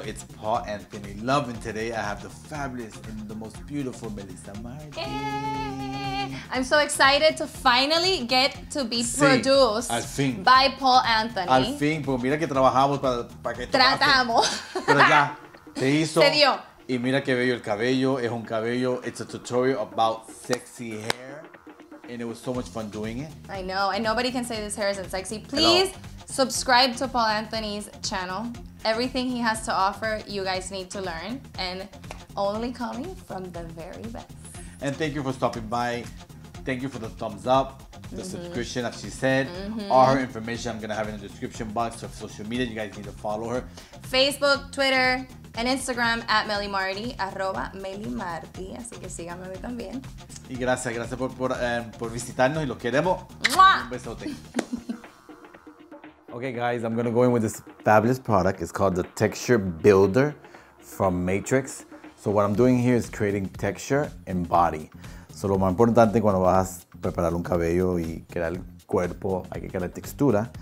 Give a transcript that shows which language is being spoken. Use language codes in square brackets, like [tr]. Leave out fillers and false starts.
[en] It's Paul Anthony Love, and today I have the fabulous and the most beautiful Melissa Martin. Hey. I'm so excited to finally get to be produced [es] al fin. [en] By Paul Anthony. [es] Al fin, pues mira que trabajamos para que tratamos. Pero ya, se hizo. Se dio. Y mira qué bello el cabello, es un cabello, [en] it's a tutorial about sexy hair, and it was so much fun doing it. I know, and nobody can say this hair isn't sexy. Please Hello. Subscribe to Paul Anthony's channel. Everything he has to offer, you guys need to learn, and only coming from the very best. And thank you for stopping by. Thank you for the thumbs up, the subscription, as she said. Mm-hmm. All her information I'm gonna have in the description box of social media. You guys need to follow her. Facebook, Twitter, and Instagram at Meli Marti, arroba Meli Marti. [es] Así que síganme a mí también. Y gracias, gracias por visitarnos y los queremos. ¡Mua! Un besote. [en] Okay, guys, I'm gonna go in with this fabulous product. It's called the Texture Builder from Matrix. So what I'm doing here is creating texture and body. [es] So lo más importante cuando vas a preparar un cabello y crear el cuerpo, hay que crear la textura.